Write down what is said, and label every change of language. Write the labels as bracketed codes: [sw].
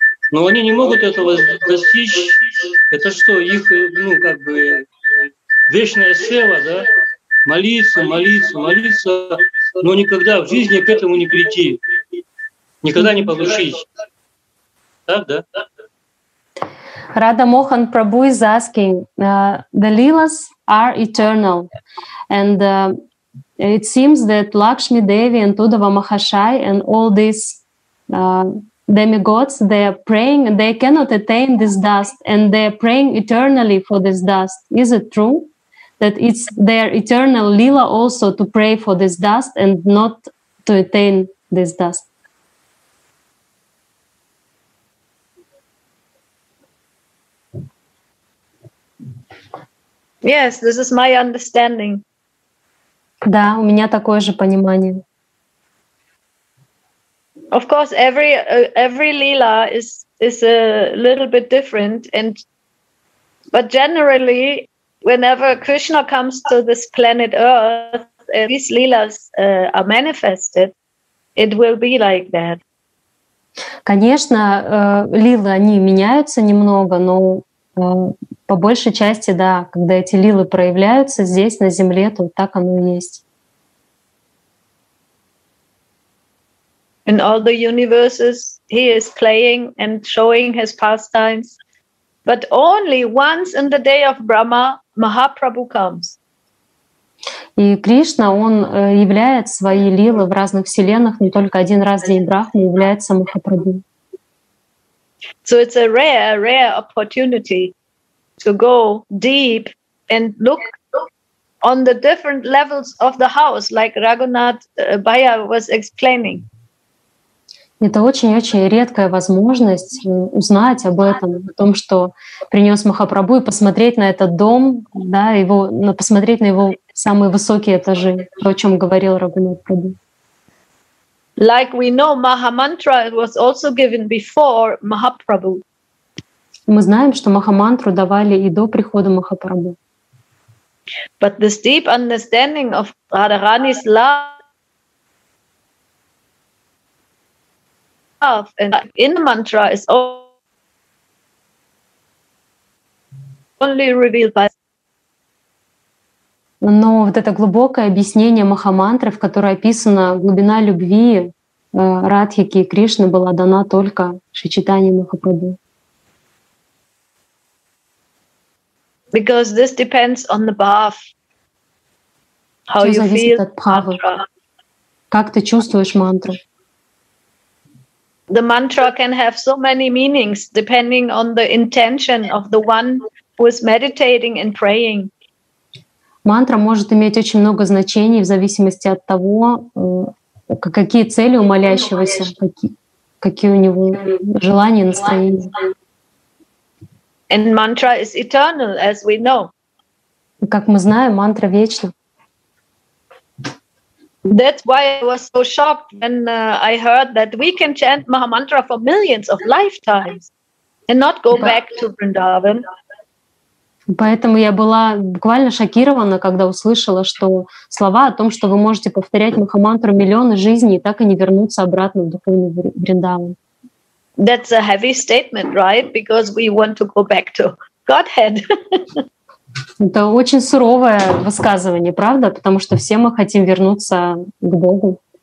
[ru] Но они не могут этого достичь. Это что, их ну, как бы вечная сева, да? Молиться, молиться, молиться, но никогда в жизни к этому не прийти. Никогда не получить. Так, да? [en] Radha Mohan Prabhu is asking, the Leelas are eternal. And it seems that Lakshmi Devi and Uddhava Mahashai and all these demigods, they are praying, they cannot attain this dust and they are praying eternally for this dust. Is it true that it's their eternal Leela also to pray for this dust and not to attain this dust? Yes, this is my understanding. [ru] Да, у меня такое же понимание. [en] Of course, every lila is a little bit different, but generally, whenever Krishna comes to this planet Earth, these lilas are manifested. It will be like that. [ru] Конечно, лилы они меняются немного, но по большей части, да, когда эти лилы проявляются здесь, на Земле, то так оно и есть. [en] In all the universes, he is playing and showing his pastimes. But only once in the day of Brahma, Mahaprabhu comes. [ru] И Кришна, он являет свои лилы в разных вселенных, не только один раз в день Брахмы является Махапрабху. [en] So it's a rare opportunity to go deep and look on the different levels of the house, like Raghunath Bhaiya was explaining. [ru] Это очень-очень редкая возможность узнать об этом, о том, что принес Махапрабху, и посмотреть на этот дом, да, его, посмотреть на его самые высокие этажи, то, о чем говорил Раghunath Prabhu. [en] Like we know, Mahamantra was also given before Mahaprabhu. [ru] Мы знаем, что Махамантру давали и до прихода Махапрабху. [en] But this deep understanding of Radharani's love and in the mantra is only revealed by. [ru] Но вот это глубокое объяснение Махамантры, в которой описана глубина любви Радхики и Кришны, была дана только Шри Чайтанья Махапрабху. [en] Because this depends on the bhav. How you feel mantra. [ru] Как ты чувствуешь мантру? [en] The mantra can have so many meanings depending on the intention of the one who is meditating and praying. [ru] Мантра может иметь очень много значений в зависимости от того, какие цели у молящегося, какие у него желания, настроения. [en] And mantra is eternal, as we know. [ru] Как мы знаем, мантра вечна. [en] That's why I was so shocked when I heard that we can chant Mahamantra for millions of lifetimes and not go back to Vrindavan. [ru] Поэтому я была буквально шокирована, когда услышала, что слова о том, что вы можете повторять Махамантру миллионы жизней и так и не вернуться обратно в духовный Вриндаван. [en] That's a heavy statement, right? Because we want to go back to Godhead. [ru] Это очень суровое высказывание, правда? Потому что все мы хотим вернуться к Богу.